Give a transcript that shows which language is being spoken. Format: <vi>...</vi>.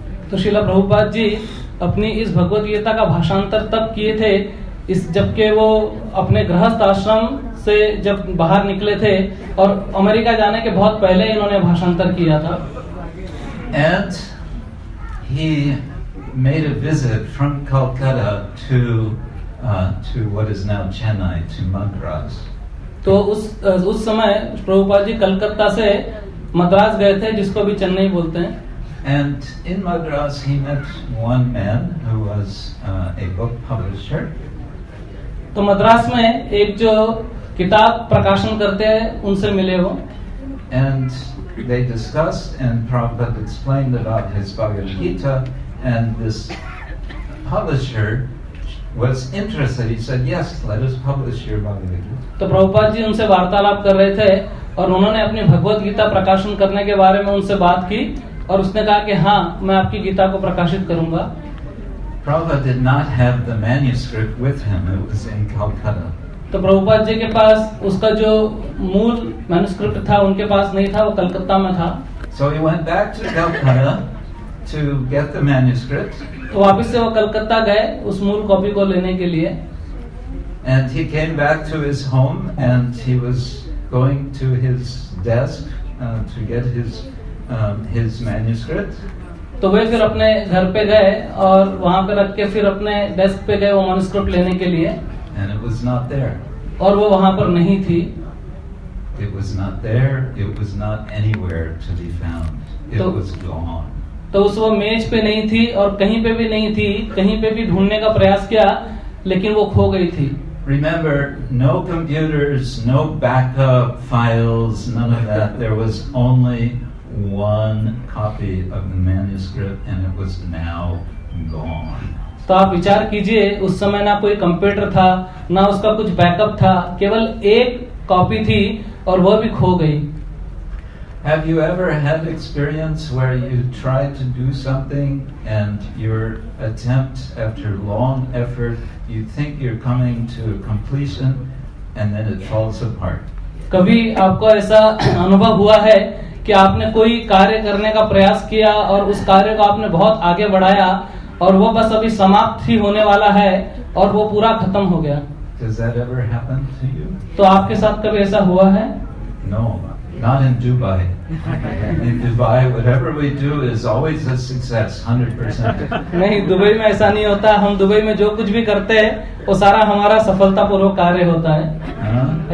<hi>तो श्रीला प्रभुपाद जी अपनी इस भगवद गीता का भाषांतर तब किए थे इस जबकि वो अपने गृहस्थ आश्रम से जब बाहर निकले थे और अमेरिका जाने के बहुत पहले इन्होंने भाषांतर किया था.</hi> <en>And he made a visit from Calcutta to what is now Chennai, to Madras.</en> <hi>तो उस समय प्रभुपाद जी कलकत्ता से मद्रास गए थे जिसको भी चेन्नई बोलते हैं.</hi> <en>And in Madras he met one man who was a book publisher.</en> <hi>तो मद्रास में एक जो किताब प्रकाशन करते हैं उनसे मिले वो.</hi> <en>And they discussed and Prabhupada explained about his Bhagavad Gita, and this publisher was interested. He said, "Yes, let us publish your Bhagavad Gita."</en> <hi>तो प्रभुपाद जी उनसे वार्तालाप कर रहे थे और उन्होंने अपनी भगवत गीता प्रकाशन करने के बारे में उनसे बात की और उसने कहा कि हाँ मैं आपकी गीता को प्रकाशित करूंगा.</hi> <en>Prabhupada did not have the manuscript with him. It was in Calcutta.</en> <hi>तो प्रभुपाद जी के पास उसका जो मूल मैन्युस्क्रिप्ट था उनके पास नहीं था, वो कलकत्ता में था.</hi> <en>So he went back to Calcutta to get the manuscript.</en> <hi>तो वापस से वो कलकत्ता गए उस मूल कॉपी को लेने के लिए.</hi> <en>And he came back to his home and he was going to his desk to get his manuscript.</en> <hi>तो वे फिर अपने घर पे गए और वहां पे रख के फिर अपने डेस्क पे गए वो मैन्युस्क्रिप्ट लेने के लिए.</hi> <en>And it was not there.</en> <hi>और वो वहाँ पर नहीं थी.</hi> <en>It was not there. It was not anywhere to be found. It was gone.</en> <hi>तो उस वो मेज पे नहीं थी और कहीं पे भी नहीं थी. कहीं पे भी ढूंढने का प्रयास किया, लेकिन वो खो गई थी.</hi> <en>Remember, no computers, no backup files, none of that. There was only one copy of the manuscript, and it was now gone.</en> <hi>तो आप विचार कीजिए, उस समय ना कोई कंप्यूटर था ना उसका कुछ बैकअप था, केवल एक कॉपी थी और वह भी खो गई.</hi> <en>Have you ever had experience where you tried to do something and your attempt after long effort, you think you're coming to completion and then it falls apart?</en> <hi>कभी आपको ऐसा अनुभव हुआ है कि आपने कोई कार्य करने का प्रयास किया और उस कार्य को आपने बहुत आगे बढ़ाया और वो बस अभी समाप्त ही होने वाला है और वो पूरा खत्म हो गया?</hi> <en>Does that ever happen to you?</en> <hi>तो आपके साथ कभी ऐसा हुआ है?</hi> <en>No, not in Dubai. In Dubai, whatever we do is always a success, 100%.</en> <hi>नहीं, दुबई में ऐसा नहीं होता. हम दुबई में जो कुछ भी करते हैं वो सारा हमारा सफलतापूर्वक कार्य होता है.</hi>